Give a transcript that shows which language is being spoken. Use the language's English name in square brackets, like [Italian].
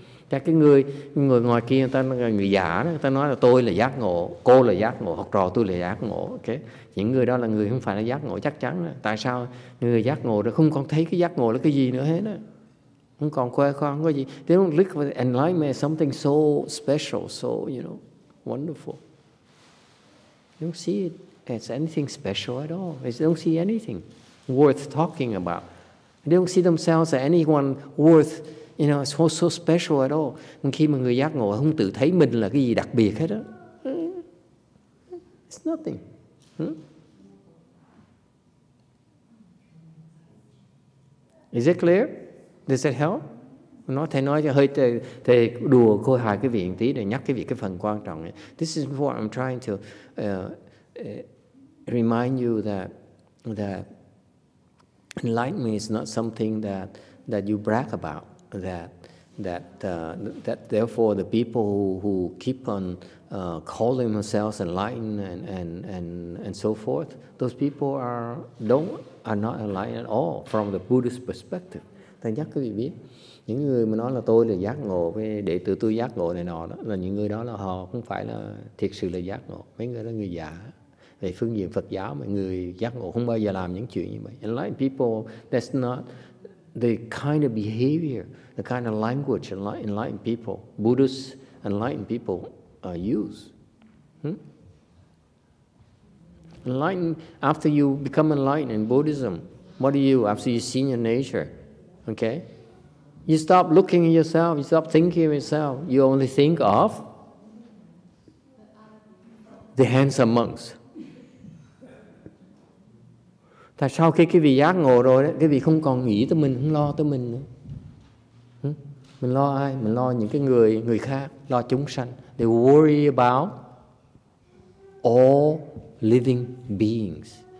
[Vietnamese] Các cái người ngoài kia, người giả, người ta nói là tôi là giác ngộ, cô là giác ngộ, học trò tôi là giác ngộ. Okay? Những người đó là người không phải là giác ngộ chắc chắn. Tại sao người giác ngộ đó không còn thấy cái giác ngộ là cái gì nữa hết? Không còn khoe khoang, không có gì. [English] They don't look at enlightenment as something so special, so, you know, wonderful. You don't see it as anything special at all. They don't see anything worth talking about. They don't see themselves as anyone worth, you know, so, so special at all. [Vietnamese] And khi mà người giác ngộ không tự thấy mình là cái gì đặc biệt hết đó. [English] It's nothing. Is it clear? Does it help? [Vietnamese] Nói thầy nói cho hơi thầy đùa khôi hài cái vị tí để nhắc cái vị cái phần quan trọng ấy. [English] This is what I'm trying to remind you that Enlightenment is not something that you brag about, that therefore the people who keep on calling themselves enlightened and so forth, those people are not enlightened at all from the Buddhist perspective. [Vietnamese] Thầy nhắc quý vị biết, những người mà nói là tôi là giác ngộ với đệ tử tôi giác ngộ này nọ đó, là những người đó là họ không phải là thiệt sự là giác ngộ, mấy người đó là người giả. Về phương diện Phật giáo, mọi người giác ngộ không bao giờ làm những chuyện như vậy. [English] Enlightened people, that's not the kind of behavior, the kind of language enlightened people, Buddhist enlightened people use. Enlightened, after you become enlightened in Buddhism, what do you, after you see your nature, okay? You stop looking at yourself, you stop thinking of yourself, you only think of the handsome monks. [Vietnamese] Tại sao khi quý vị giác ngộ rồi đó, quý vị không còn nghĩ tới mình, không lo tới mình nữa. Mình lo ai? Mình lo những cái người khác, lo chúng sanh. [English] They worry about all living beings.